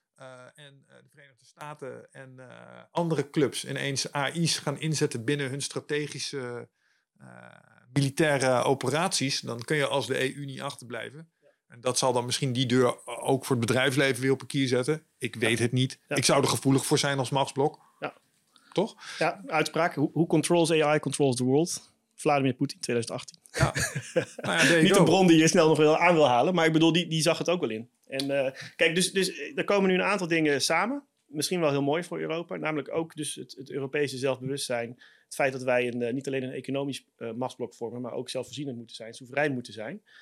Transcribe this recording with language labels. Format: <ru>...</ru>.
<nl>de Verenigde Staten en andere clubs ineens AI's gaan inzetten binnen hun strategische militaire operaties, dan kun je als de EU niet achterblijven. Ja. En dat zal dan misschien die deur ook voor het bedrijfsleven weer op een kier zetten. Ik weet het niet. Ja. Ik zou er gevoelig voor zijn als machtsblok. Ja. Toch? Ja, uitspraak.</nl> <en>Who controls AI controls the world.</en> <nl>Vladimir Poetin, 2018. Ja. Nou ja, niet een bron die je snel nog aan wil halen, maar ik bedoel, die zag het ook wel in. En kijk, dus er komen nu een aantal dingen samen. Misschien wel heel mooi voor Europa. Namelijk ook dus het Europese zelfbewustzijn. Het feit dat wij niet alleen een economisch machtsblok vormen, maar ook zelfvoorzienend moeten zijn, soeverein moeten zijn.</nl>